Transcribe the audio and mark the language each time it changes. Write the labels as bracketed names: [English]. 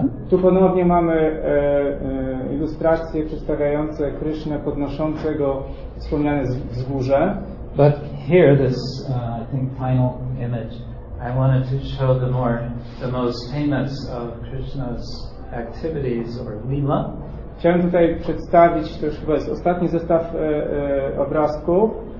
[Polish] Tu ponownie mamy ilustracje przedstawiające Krishnę podnoszącego wspomniane wzgórze. [English] But here this I think final image. I wanted to show the most famous of Krishna's activities or lila. [Polish] Chciałem tutaj przedstawić, to już chyba jest ostatni zestaw obrazków.